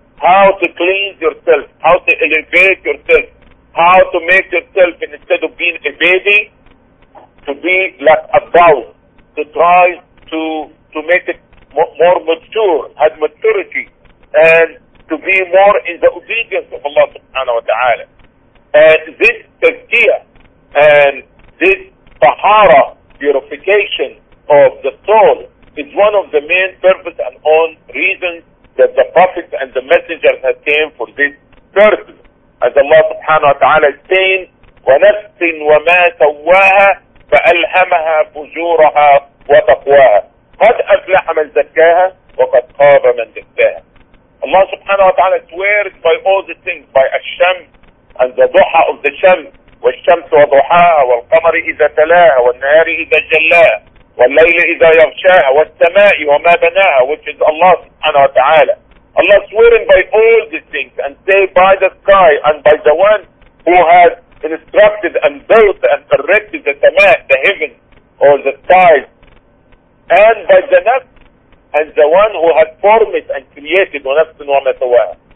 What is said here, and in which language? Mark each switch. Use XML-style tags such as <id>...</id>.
<en>How to cleanse yourself, how to elevate yourself, how to make yourself, instead of being a baby, to be like a adult, to try to make it more mature, have maturity, and to be more in the obedience of Allah subhanahu wa ta'ala. And this tazkiyah and this tahara, purification of the soul, is one of the main purpose and own reasons that the Prophet and the Messenger has came for this person. As Allah subhanahu wa ta'ala is saying,</en> <ar>وَنَفْسٍ وَمَا سَوَّاهَا فَأَلْهَمَهَا فُجُورَهَا وَتَقْوَاهَا قَدْ أَفْلَحَ مَنْ زَكَّاهَا وَقَدْ خَابَ مَنْ دَسَّاهَا.</ar> <en>Allah subhanahu wa ta'ala swears by all the things, by الشمس and the duha of the shams,</en> <ar>وَالشَّمْسُ وَضُحَاهَا وَالْقَمَرِ إِذَا تَلَاهَا وَالنَّهَارِ إِذَا جَلَّاهَا وَاللَّيْلِ إِذَا يَغْشَاهَا وَالسَّمَاءِ وَمَا بَنَاهَا,</ar> <en>which is Allah subhanahu wa ta'ala. Allah swearing by all these things and say by the sky and by the one who has instructed and built and erected the sama, the heaven or the skies, and by the nafs and the one who has formed and created</en> <ar>وَنَفْسٍ وَمَتَوَاهَا.</ar>